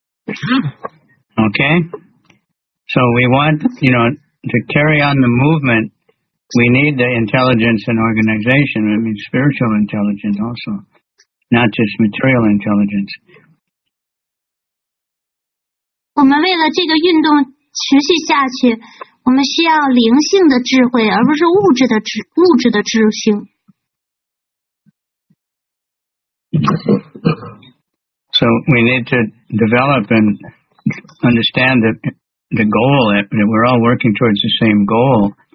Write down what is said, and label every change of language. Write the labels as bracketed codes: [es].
[en] Okay, so we want, you know, to carry on the movement, we need the intelligence and organization, I mean spiritual intelligence also, not just material intelligence. [zh] 我们为了这个运动持续下去，我们需要灵性的智慧，而不是物质的智性。 [en] So we need to develop and understand the goal, that we're all working towards the same goal.